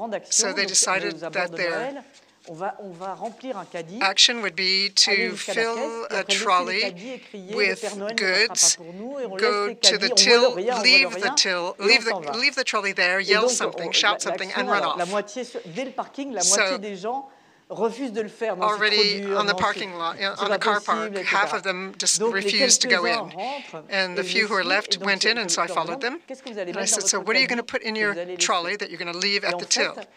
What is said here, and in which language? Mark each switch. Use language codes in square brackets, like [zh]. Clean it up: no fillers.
[en] So they decided that they're [fr] on va remplir un caddie. [en] Action would be to fill a trolley with goods, go to the till, leave the trolley there, yell something, shout something, and run off. [fr] La moitié dès le parking, la moitié des gens refusent de le faire. [en] Already on the parking lot, on the car park, half of them just refused to go in. And the few who were left went in, and so I followed them. And I said, so what are you going to put in your trolley that you're going to leave at the till?